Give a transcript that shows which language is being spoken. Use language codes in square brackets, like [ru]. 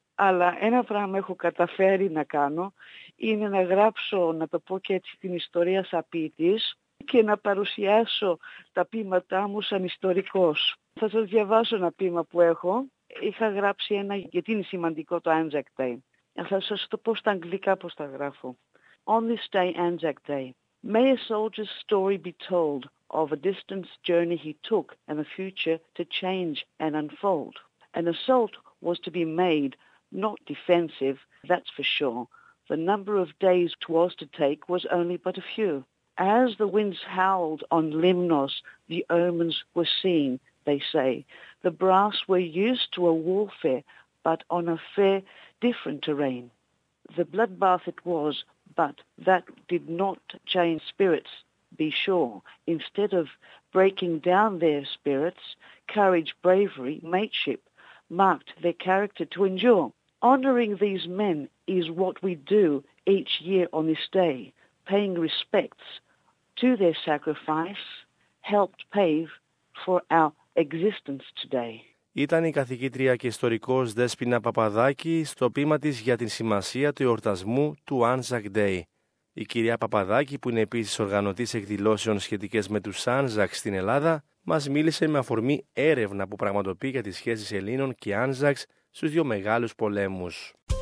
[el] Αλλά ένα πράγμα έχω καταφέρει να κάνω είναι να γράψω, να το πω και έτσι, την ιστορία σαν ποιητής και να παρουσιάσω τα ποίηματά μου σαν ιστορικός. Θα σας διαβάσω ένα ποίημα που έχω. Είχα γράψει ένα, γιατί είναι σημαντικό το Anzac Day. Θα σας το πω στα αγγλικά πώς τα γράφω. [en] On this day, Anzac Day, may a soldier's story be told of a distance journey he took and a future to change and unfold. An assault was to be made, not defensive, that's for sure. The number of days 'twas to take was only but a few. As the winds howled on Limnos, the omens were seen, they say. The brass were used to a warfare, but on a fair, different terrain. The bloodbath it was, but that did not change spirits, be sure. Instead of breaking down their spirits, courage, bravery, mateship marked their character to endure. Honoring these men is what we do each year on this day, paying respects to their sacrifice, helped pave for our existence today. [el] Ήταν η καθηγήτρια και ιστορικός Δέσποινα Παπαδάκη στο ποίημα της για την σημασία του εορτασμού του Anzac Day. Η κυρία Παπαδάκη, που είναι επίσης οργανωτής εκδηλώσεων σχετικές με τους Anzacs στην Ελλάδα, μας μίλησε με αφορμή έρευνα που πραγματοποιεί για τις σχέσεις Ελλήνων και Anzacs στους δύο μεγάλους πολέμους.